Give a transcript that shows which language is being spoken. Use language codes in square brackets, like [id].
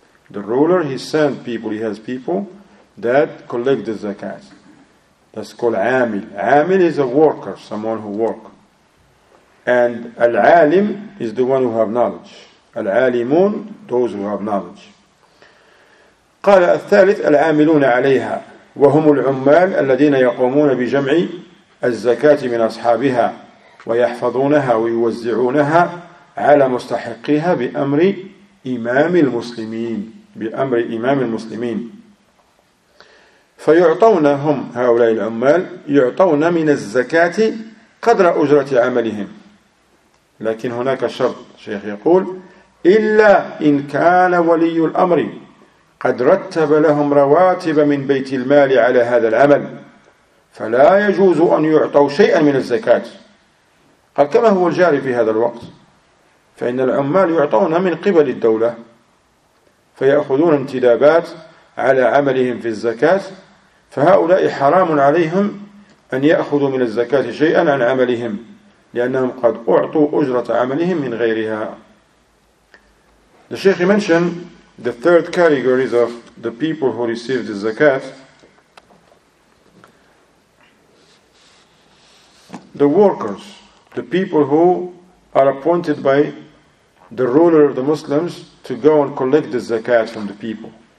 [en] The ruler, he sent people, he has people that collect the zakat. That's called amil. Amil is a worker, someone who work. And al-alim is the one who have knowledge. Al-alimun, those who have knowledge. [ar] قال الثالث العاملون عليها وهم العمال الذين يقومون بجمع الزكاة من أصحابها ويحفظونها ويوزعونها على مستحقيها بأمر إمام المسلمين. بأمر إمام المسلمين فيعطونهم هؤلاء العمال يعطون من الزكاة قدر أجرة عملهم لكن هناك شرط شيخ يقول إلا إن كان ولي الأمر قد رتب لهم رواتب من بيت المال على هذا العمل فلا يجوز أن يعطوا شيئا من الزكاة. قال كما هو الجاري في هذا الوقت، فإن العمال يعطون من قبل الدولة فيأخذون انتدابات على عملهم في الزكاة، فهؤلاء حرام عليهم أن يأخذوا من الزكاة شيئا عن عملهم، لأنهم قد أعطوا أجرة عملهم من غيرها. [en] The Sheikh mentioned the third categories of the people who received the zakat: the workers, the people who are appointed by the ruler of the Muslims to go and collect the zakat from the people.